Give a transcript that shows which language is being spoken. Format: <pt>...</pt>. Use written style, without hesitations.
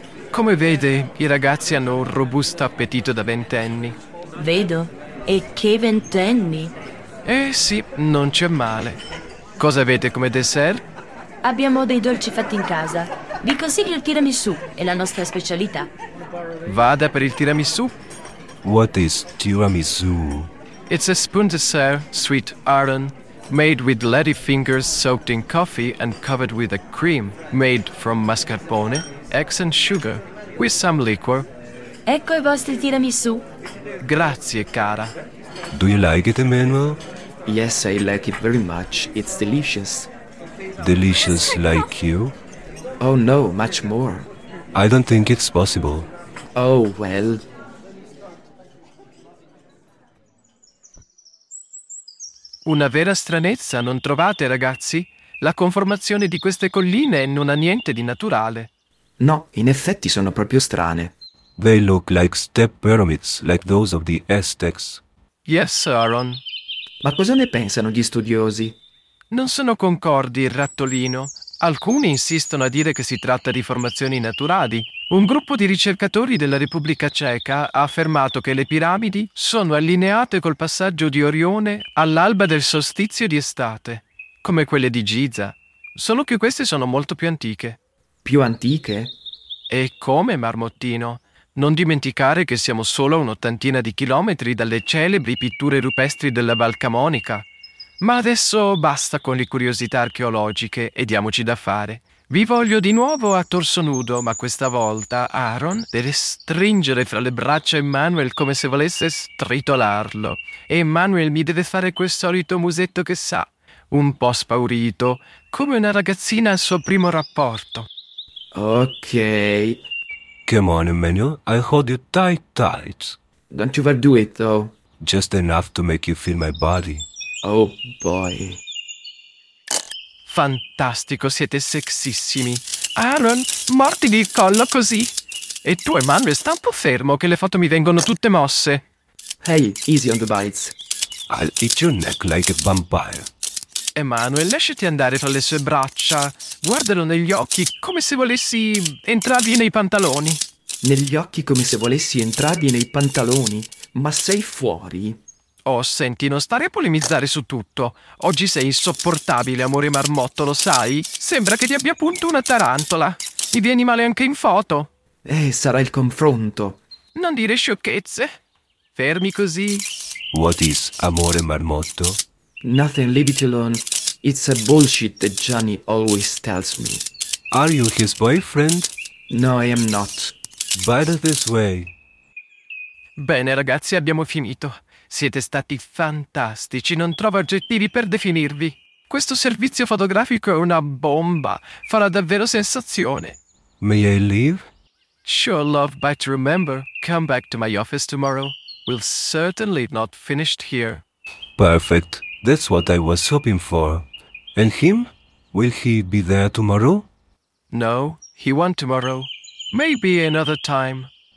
<it>Come vede, i ragazzi hanno un robusto appetito da ventenni. Vedo. E che ventenni! Eh sì, non c'è male. Cosa avete come dessert? Abbiamo dei dolci fatti in casa. Vi consiglio il tiramisù, è la nostra specialità. Vada per il tiramisù.</it> <en>What is tiramisù? It's a spoon dessert, sweet Aaron, made with lady fingers soaked in coffee and covered with a cream made from mascarpone, eggs and sugar, with some liquor.</en> <it>Ecco i vostri tiramisù. Grazie, cara.</it> <en>Do you like it, Emmanuel? Yes, I like it very much. It's delicious. delicious like you? Oh no, much more. I don't think it's possible. Oh well.</en> <it>Una vera stranezza, non trovate, ragazzi? La conformazione di queste colline non ha niente di naturale. No, in effetti sono proprio strane.</it> <en>They look like step pyramids, like those of the Aztecs. Yes, Aaron.</en> <it>Ma cosa ne pensano gli studiosi? Non sono concordi, il rattolino. Alcuni insistono a dire che si tratta di formazioni naturali. Un gruppo di ricercatori della Repubblica Ceca ha affermato che le piramidi sono allineate col passaggio di Orione all'alba del solstizio di estate, come quelle di Giza, solo che queste sono molto più antiche. Più antiche? E come, Marmottino? Non dimenticare che siamo solo a un'ottantina di chilometri dalle celebri pitture rupestri della Valcamonica. Ma adesso basta con le curiosità archeologiche e diamoci da fare. Vi voglio di nuovo a torso nudo, ma questa volta Aaron deve stringere fra le braccia Emmanuel come se volesse stritolarlo. E Emmanuel mi deve fare quel solito musetto che sa, un po' spaurito, come una ragazzina al suo primo rapporto. Ok.</it> <en>Come on, Emmanuel, I hold you tight, tight. Don't you overdo it, though. Just enough to make you feel my body. Oh, boy.</en> <it>Fantastico, siete sexissimi. Aaron, morti di collo così. E tu, Emmanuel, sta un po' fermo, che le foto mi vengono tutte mosse.</it> <en>Hey, easy on the bites. I'll eat your neck like a vampire.</en> <it>Emmanuel, lasciati andare fra le sue braccia. Guardalo negli occhi, come se volessi entrarvi nei pantaloni. Negli occhi come se volessi entrarvi nei pantaloni? Ma sei fuori? Oh, senti, non stare a polemizzare su tutto. Oggi sei insopportabile, amore marmotto, lo sai? Sembra che ti abbia punto una tarantola. Mi vieni male anche in foto. Sarà il confronto. Non dire sciocchezze. Fermi così.</it> <en>What is amore marmotto? Nothing, leave it alone. It's a bullshit that Johnny always tells me. Are you his boyfriend? No, I am not. Better this way.</en> <it>Bene, ragazzi, abbiamo finito. Siete stati fantastici, non trovo aggettivi per definirvi. Questo servizio fotografico è una bomba, farà davvero sensazione.</it> <en>May I leave? Sure, love, but remember, come back to my office tomorrow. We'll certainly not finish here. Perfect, that's what I was hoping for. And him? Will he be there tomorrow? No, he won't tomorrow. Maybe another time.</en>